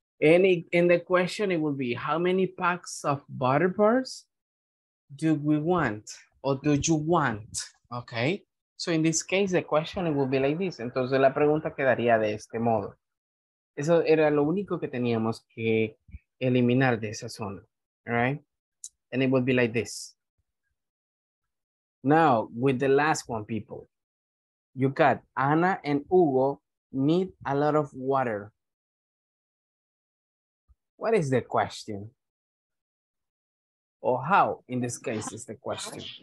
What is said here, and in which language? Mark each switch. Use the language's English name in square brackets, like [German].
[English] In the question, it will be, how many packs of butter bars do we want or do you want? Okay, so in this case, the question it will be like this. [Spanish] Entonces, la pregunta quedaría de este modo. Eso era lo único que teníamos que eliminar de esa zona. [English] All right, and it will be like this. Now, with the last one, people. You got Ana and Hugo need a lot of water. What is the question? Or how, in this case, is the question?